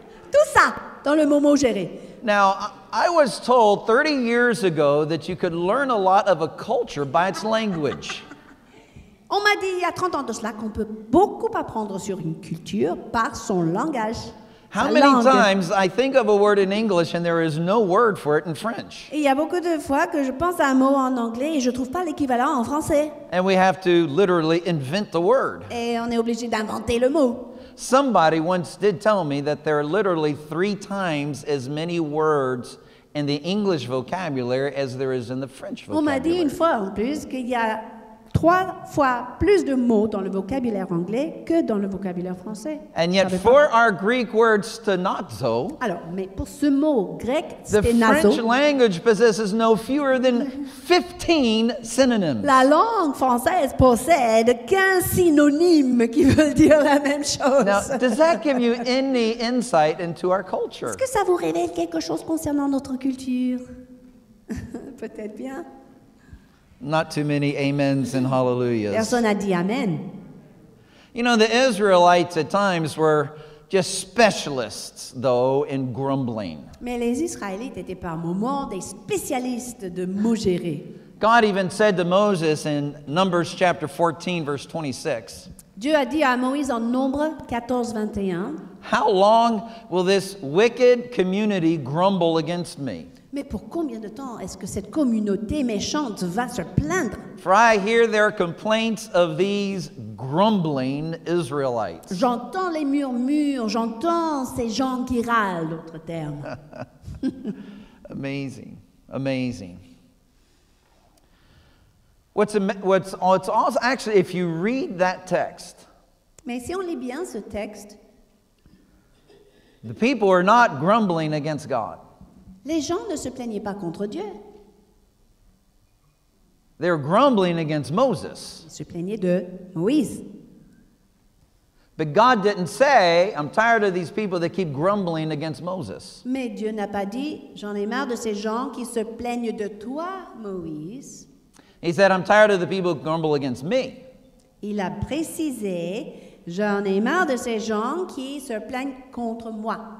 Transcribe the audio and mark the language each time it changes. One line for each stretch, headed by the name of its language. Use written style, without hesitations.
French: Tout ça dans le mot maugérer.
English: Now, I was told 30 years ago that you could learn a lot of a culture by its language.
French: On m'a dit il y a 30 ans de cela qu'on peut beaucoup apprendre sur une culture par son langage.
English: How many times I think of a word in English and there is no word for it in French?
French: Il y a beaucoup de fois que je pense à un mot en anglais et je trouve pas l'équivalent en français.
English: And we have to literally invent the word.
French: Et on est obligé d'inventer le mot.
English: Somebody once did tell me that there are literally three times as many words in the English vocabulary as there is in the French vocabulary.
French: On m'a dit une fois en plus qu'il y a trois fois plus de mots dans le vocabulaire anglais que dans le vocabulaire français.
English: And yet for our Greek word stenazo,
French: alors, mais pour ce mot grec,
English: the stenazo, French language possesses no fewer than 15 synonyms.
French: La langue française possède 15 synonymes qui veulent dire la même chose.
English: Now, does that give you any insight into our culture?
French: Est-ce que ça vous révèle quelque chose concernant notre culture? Peut-être bien.
English: Not too many amens and hallelujahs.
French: Personne a dit amen.
English: You know, the Israelites at times were just specialists, though, in grumbling.
French: Mais les Israélites étaient par moments des spécialistes de maugréer.
English: God even said to Moses in Numbers chapter 14, verse 26.
French: Dieu a dit à Moïse en Nombre 14:21.
English: How long will this wicked community grumble against me?
French: Mais pour combien de temps est-ce que cette communauté méchante va se plaindre?
English: For I hear their complaints of these grumbling Israelites.
French: J'entends les murmures, j'entends ces gens qui râlent, d'autres termes.
English: Amazing, amazing. What's also, actually, if you read that text.
French: Mais si on lit bien ce texte.
English: The people are not grumbling against God.
French: Les gens ne se plaignaient pas contre Dieu.
English: They're grumbling against Moses.
French: Ils se plaignaient de Moïse.
English: But God didn't say, I'm tired of these people that keep grumbling against Moses.
French: Mais Dieu n'a pas dit, j'en ai marre de ces gens qui se plaignent de toi, Moïse.
English: He said, I'm tired of the people who grumble against me.
French: Il a précisé, j'en ai marre de ces gens qui se plaignent contre moi.